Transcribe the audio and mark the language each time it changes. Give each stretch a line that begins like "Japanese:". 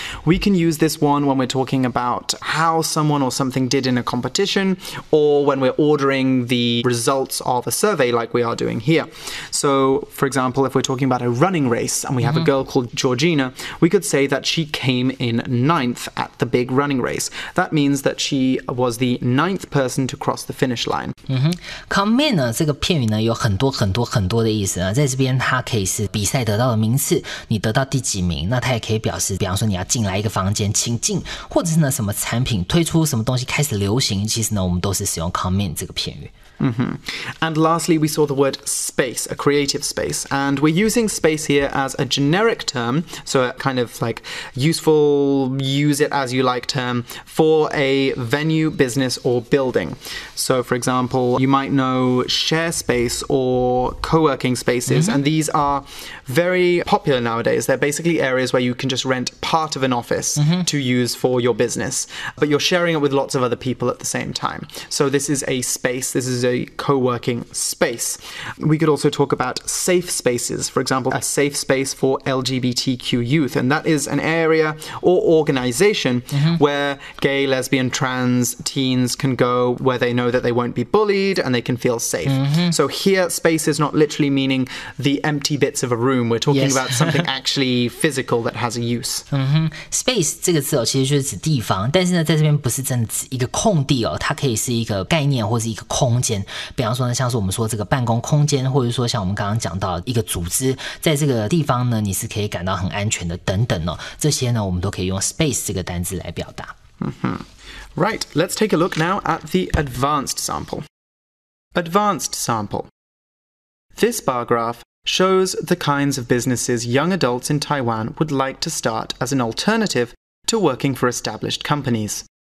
English: We can use this one when we're talking about how someone or something did in a competition, or when we're ordering the results of a survey like we are doing here. So, for example, if we're talking about a running race and we have a girl called Georgina, we could say that she came in ninth at the big running race. That means that she was the ninth person to cross the finish line.
Chinese: Come in 呢，这个片语呢有很多很多很多的意思啊，在这边它可以是比赛得到的名次，你得到第几名，那它也可以表示，比方说你要进来一个房间，请进，或者是呢什么产品推出，什么东西开始流行，其实呢我们都是使用 come in 这个片语。 Mm-hmm.
English: And lastly, we saw the word space, a creative space. And we're using space here as a generic term, so a kind of like useful, use it as you like term, for a venue, business, or building. So, for example, you might know share space or co-working spaces, and these are very popular nowadays. They're basically areas where you can just rent part of an office to use for your business, but you're sharing it with lots of other people at the same time. So this is a space, this is a co-working space. We could also talk about safe spaces, for example, a safe space for LGBTQ youth, and that is an area or organization where gay, lesbian, trans teens can go where they know that they won't be bullied and they can feel safe. So here, space is not literally meaning the empty bits of a room. We're talking about something actually physical that has a use.
Chinese: Space 这个字哦，其实就是指地方，但是呢，在这边不是真的指一个空地哦，它可以是一个概念或是一个空间。比方说呢，像是我们说这个办公空间，或者说像我们刚刚讲到一个组织，在这个地方呢，你是可以感到很安全的等等哦，这些呢，我们都可以用 space 这个单字来表达。
English: Right, let's take a look now at the advanced sample. Advanced sample. This bar graph shows the kinds of businesses young adults in Taiwan would like to start as an alternative to working for established companies.